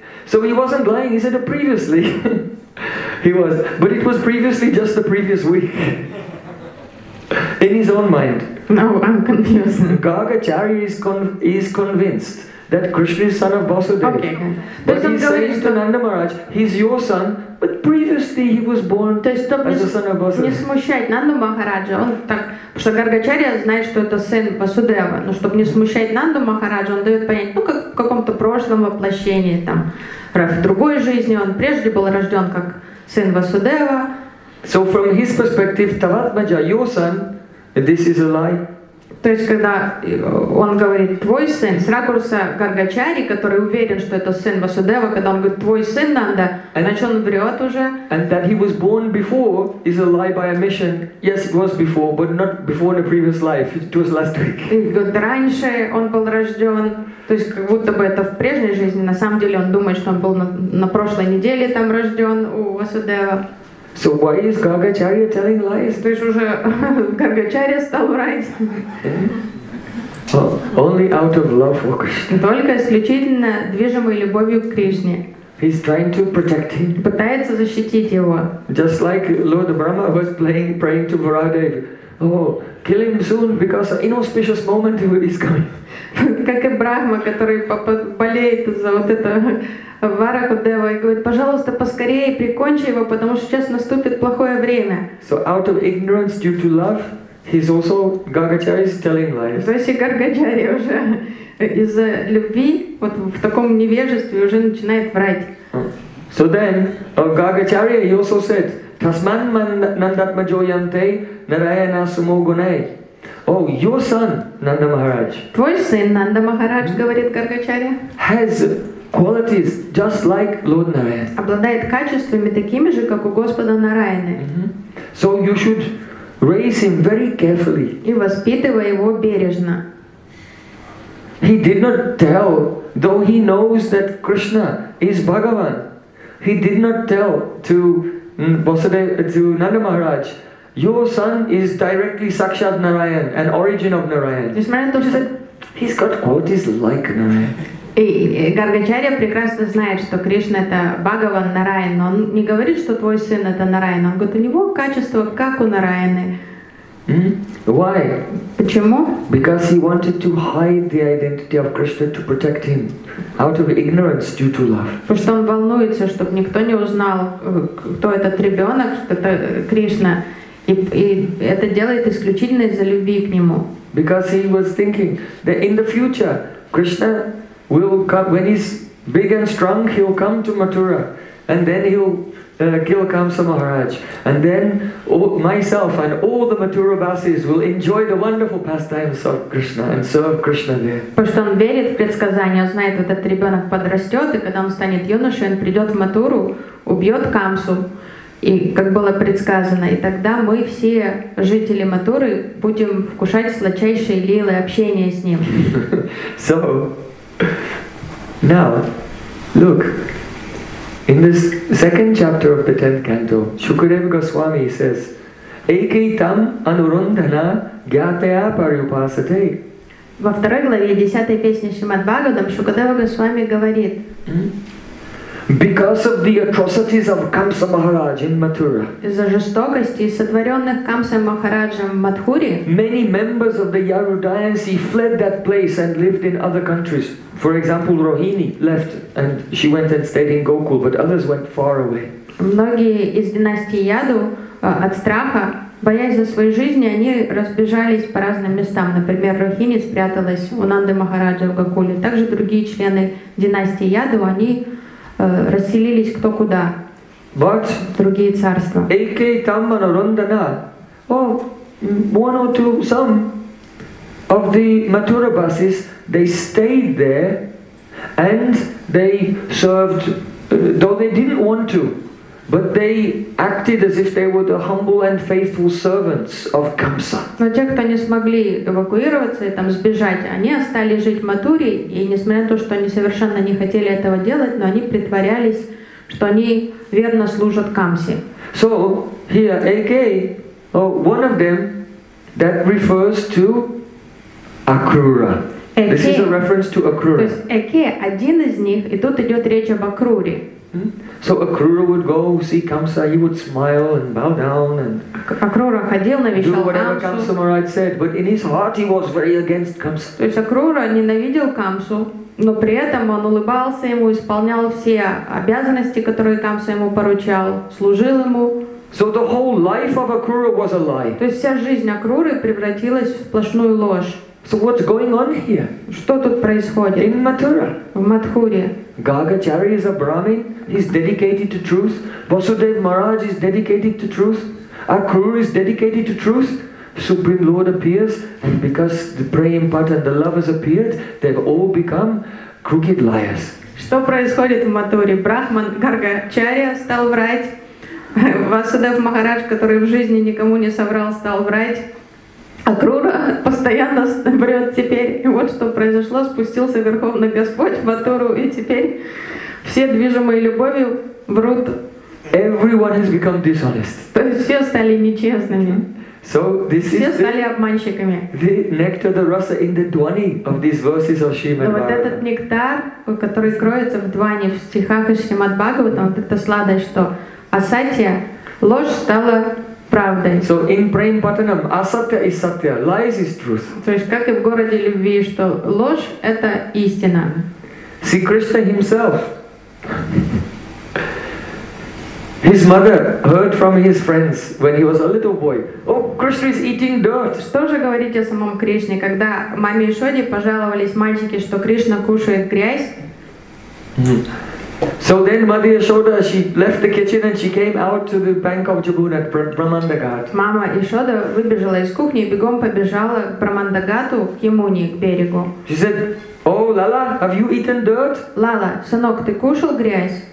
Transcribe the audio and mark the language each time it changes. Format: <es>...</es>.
<en>So he wasn't lying, he said previously. He was, but it was previously just the previous week. In his own mind. No, I'm confused. Gargacharya is convinced that Krishna is son of Vasudeva. Okay. But he's saying to Nanda Maharaj, he's your son. But previously he was born as the son of Vasudeva.</en> <ru>Не смущать Нанду Махараджа, он так, потому что Гаргачарья знает, что это сын Васудева, но чтобы не смущать Нанду Махараджа, он дает понять, ну как в каком-то прошлом воплощении там, в другой жизни он прежде был рожден как сын Васудева.</ru> <en>So from his perspective, Таватмаджа, your son, this is a lie.</en> <ru>То есть когда он говорит твой сын, с ракурса Гаргачарьи, который уверен, что это сын Васудева, когда он говорит твой сын Нанда, значит он врет уже.</ru> <en>And that he was born before is a lie by omission. Yes, it was before, but not before in a previous life. It was last week.</en> <ru>И говорит, раньше он был рожден, то есть как будто бы это в прежней жизни, на самом деле он думает, что он был на прошлой неделе там рожден у Васудева.</ru> <en>So why is Gargacharya telling lies?</en> <ru>То есть уже Гаргачарья стал врать.</ru> <en>Only out of love for Krishna.</en> <ru>Только исключительно движимой любовью к Кришне.</ru> <en>He's trying to protect him.</en> <ru>Пытается защитить его.</ru> <en>Just like Lord Brahma was praying to Varahadev, kill him soon, because an inauspicious moment he is coming.</en> <ru>Как и Брахма, который болеет за вот это Варахадева и говорит, пожалуйста, поскорее прикончи его, потому что сейчас наступит плохое время.</ru> <en>So out of ignorance due to love, he's also Gargacharya is telling lies.</en> <ru>То есть и Гаргачарья уже из-за любви вот в таком невежестве уже начинает врать.</ru> <en>So then, Gargacharya he also said,</en> <sa>Tasman Nandatma Joyante Narayana Sumogunai.</sa> <en>Oh, your son, Nanda Maharaj.</en> <ru>Твой сын, Нанда Махарадж, говорит Гаргачарья.</ru> <en>Has qualities just like Lord Narayana.</en> <ru>Обладает качествами такими же, как у Господа Нараяны.</ru> <en>So you should raise him very carefully.</en> <ru>И воспитывай его бережно.</ru> <en>He did not tell, though he knows that Krishna is Bhagavan. He did not tell to Nanda Maharaj. Your son is directly Sakshat Narayan, an origin of Narayan. He's got qualities like Narayan.</en> <ru>И Гаргачарья прекрасно знает, что Кришна это Бхагаван Нараян, но он не говорит, что твой сын это Нараян. Он говорит, у него качества как у Нараяны.</ru> <en>Why?</en> <ru>Почему?</ru> <en>Because he wanted to hide the identity of Krishna to protect him out of ignorance due to love.</en> <ru>Потому что он волнуется, чтобы никто не узнал, кто этот ребенок, что это Кришна. И это делает исключительно из-за любви к нему.</ru> <en>Because he was thinking that in the future Krishna will come, when he's big and strong, he'll come to Mathura, and then he'll kill Kamsa Maharaj, and then myself and all the Mathura Vasis will enjoy the wonderful pastimes of Krishna and serve Krishna there.</en> <ru>Потому что он верит в предсказание, он знает, этот ребенок подрастет, и когда он станет юношей, он придет в Матуру, убьет Камсу. И как было предсказано, и тогда мы все жители Матуры будем вкушать сладчайшие лилы общения с ним.</ru> <en>So, now, look, in this second chapter of the 10th canto, Shukadeva Goswami says,</en> <sa>Ekaitam anurundhana gyataya paryupasate.</sa> <ru>Во второй главе 10-й песни Шримад-Бхагаватам Шукадева Госвами говорит,</ru> <en>because of the atrocities of Kamsa Maharaj in Mathura.</en> <ru>Из-за жестокости, сотворенных Камсой Махараджем в Матхуре.</ru> <en>Many members of the Yaru dynasty fled that place and lived in other countries. For example, Rohini left and she went and stayed in Gokul, but others went far away.</en> <ru>Многие из династии Яду от страха, боясь за свою жизнь, они разбежались по разным местам. Например, Рохини спряталась у Нанды Махараджа в Гокуле. Также другие члены династии Яду, они расселились кто куда.</ru> <en>But</en> <ru>другие царства.</ru> <sa>Эйкей там анурундана.</sa> <en>Oh, one or two, some of the Mathura buses, they stayed there and they served, though they didn't want to, but they acted as if they were the humble and faithful servants of Kamsa.</en> <ru>Но те, кто не смогли эвакуироваться и там сбежать, они остались жить в Матуре, и несмотря на то, что они совершенно не хотели этого делать, но они притворялись, что они верно служат Камсе.</ru> <en>So, here, A.K., one of them, that refers to Акрура. This is a reference to Акрура.</en> <ru>То есть, A.K., один из них, и тут идет речь об Акруре.</ru> <en>So Akrura would go see Kamsa, he would smile and bow down and</en> <ru>Akrura ходил, навещал</ru> <en>Камсу. Do whatever Kamsa Maharaj said, but in his heart he was very against Kamsa.</en> <ru>То есть Акрура ненавидел Камсу, но при этом он улыбался ему, исполнял все обязанности, которые Камса ему поручал, служил ему.</ru> <en>So the whole life of Akrura was a lie.</en> <ru>То есть вся жизнь Акруры превратилась в сплошную ложь.</ru> <en>So what's going on here?</en> <ru>Что тут происходит?</ru> <en>In Mathura.</en> <ru>В Матхуре.</ru> <en>Gargacharya is a Brahmin, he's dedicated to truth. Vasudev Maharaj is dedicated to truth. Akrura is dedicated to truth. Supreme Lord appears, and because the Prayimpat and the lovers appeared, they've all become crooked liars.</en> <ru>Что происходит в Матуре? Брахман Гаргачарья стал врать. Васудев Махарадж, который в жизни никому не соврал, стал врать. Акрура постоянно врет теперь. И вот что произошло. Спустился Верховный Господь в Матуру, и теперь все движимые любовью врут.</ru> <en>Everyone has become dishonest.</en> <ru>То есть все стали нечестными.</ru> <en>So this</en> <ru>все</ru> <en>is</en> <ru>стали обманщиками.</ru> <en>The nectar, the rasa in the dvani of these verses of Shrimad</en> <ru>Bhagavatam. Вот этот нектар, который кроется в дване, в стихах из Шримад Бхагаватам, вот это сладость, что асатья, ложь стала правдой.</ru> <en>So in Prempatanam, asatya is satya, lies is truth.</en> <ru>То есть как и в городе любви, что ложь — это истина.</ru> <en>See Krishna himself. His mother heard from his friends when he was a little boy. Oh, Krishna is eating dirt.</en> <ru>Что же говорить о самом Кришне, когда маме Ишоде пожаловались мальчики, что Кришна кушает грязь?</ru> <en>So then Mother Yashoda, she left the kitchen and she came out to the bank of Jamuna at Brahmanda Ghat.</en> <ru>Мама Ишода выбежала из кухни и бегом побежала к Брахманда Гату, к Ямуне, к берегу.</ru> <en>She said, "Oh, Lala, have you eaten dirt?"</en> <ru>Lala, сынок, ты кушал грязь?</ru>